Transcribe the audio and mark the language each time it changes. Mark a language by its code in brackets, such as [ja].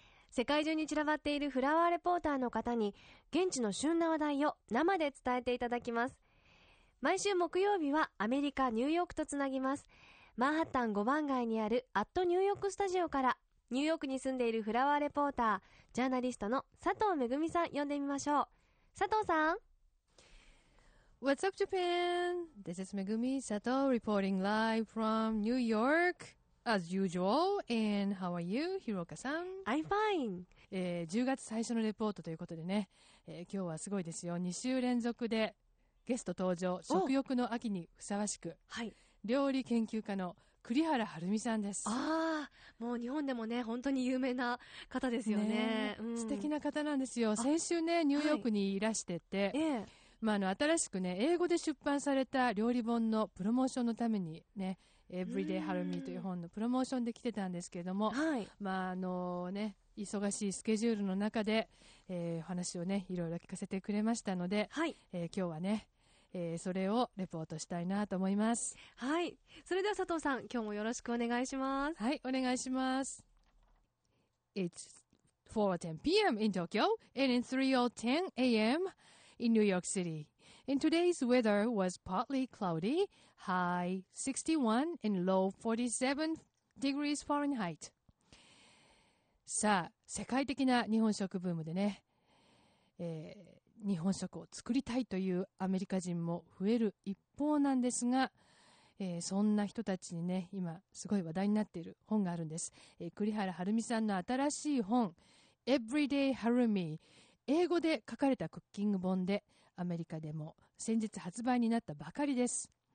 [ja] 世界中に散らばっているフラワーレポーターの方に現地の旬な話題を生で伝えていただきます。毎週木曜日はアメリカニューヨークとつなぎます。マンハッタン5番街にあるアットニューヨークスタジオから、ニューヨークに住んでいるフラワーレポータージャーナリストの佐藤めぐみさん呼んでみましょう。佐藤さん。 [en] What's up Japan? This is Megumi Sato reporting live from New York as usual. And how are you, Hiroka-san? I'm fine. [ja] 10月最初のレポートということでね、今日はすごいですよ。 2週連続でゲスト登場、食欲の秋にふさわしく、はい、料理研究家の栗原はるみさんです。あ、もう日本でもね本当に有名な方ですよ ね、うん、素敵な方なんですよ。先週ねニューヨークにいらしてて、はい、まあ、新しくね英語で出版された料理本のプロモーションのためにね、Everyday はるみという本のプロモーションで来てたんですけれども、はい、まあね忙しいスケジュールの中で、話をねいろいろ聞かせてくれましたので、はい、今日はねそれをレポートしたいなと思います。はい、それでは佐藤さん今日もよろしくお願いします。はい、お願いします。 [en] It's 4:10 p.m. in Tokyo and it's 3:10 a.m. in New York City. And today's weather was partly cloudy, high 61 and low 47 degrees Fahrenheit. [ja] さあ世界的な日本食ブームでね、日本食を作りたいというアメリカ人も増える一方なんですが、そんな人たちにね今すごい話題になっている本があるんです。栗原はるみさんの新しい本 Everyday Harumi、 英語で書かれたクッキング本でアメリカでも先日発売になったばかりです。